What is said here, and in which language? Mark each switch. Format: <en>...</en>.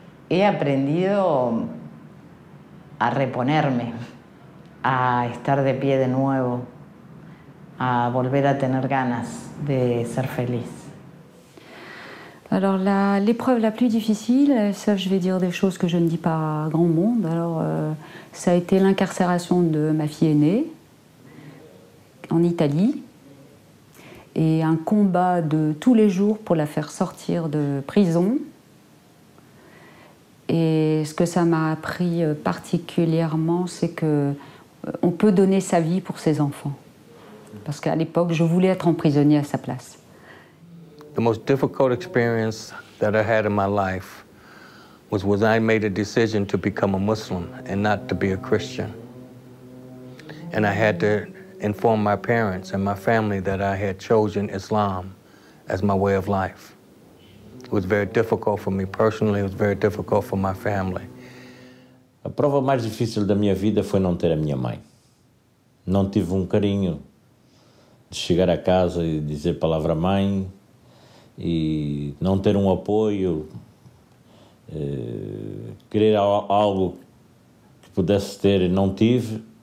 <es>He aprendido a reponerme, a estar de pie de nuevo, a volver a tener ganas de ser feliz.</es> <fr>Alors l'épreuve la plus difficile, ça je vais dire des choses que je ne dis pas à grand monde, alors ça a été l'incarcération de ma fille aînée en Italie et un combat de tous les jours pour la faire sortir de prison. Et ce que ça m'a appris particulièrement, c'est que on peut donner sa vie pour ses enfants. Parce qu'à l'époque, je voulais être emprisonnée à sa place.</fr> <en>The most difficult experience that I had in my life was when I made a decision to become a Muslim and not to be a Christian. And I had to inform my parents and my family that I had chosen Islam as my way of life. It was very difficult for me personally, it was very difficult for my family.</en> <pt>A prova mais difícil da minha vida foi não ter a minha mãe. Não tive um carinho de chegar a casa e dizer palavra mãe e não ter um apoio, querer algo que pudesse ter e não tive.</pt>